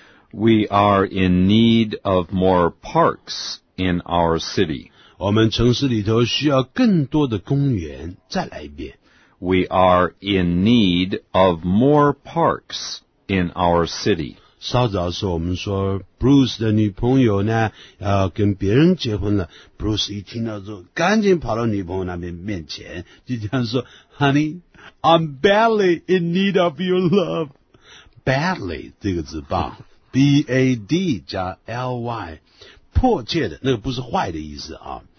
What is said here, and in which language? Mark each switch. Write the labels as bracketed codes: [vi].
[en] We are in need of more parks in our city. [zh] 我们城市里头需要更多的公园。再来一遍。 [en] We are in need of more parks in our city. [zh] 稍早的时候我们说 Bruce 的女朋友呢要跟别人结婚了。 Bruce 一听到之后赶紧跑到女朋友那边面前就这样说 [en] Honey, I'm badly in need of your love. [zh] Badly 这个字吧。B-A-D 加 L-Y 迫切的那个不是坏的意思啊、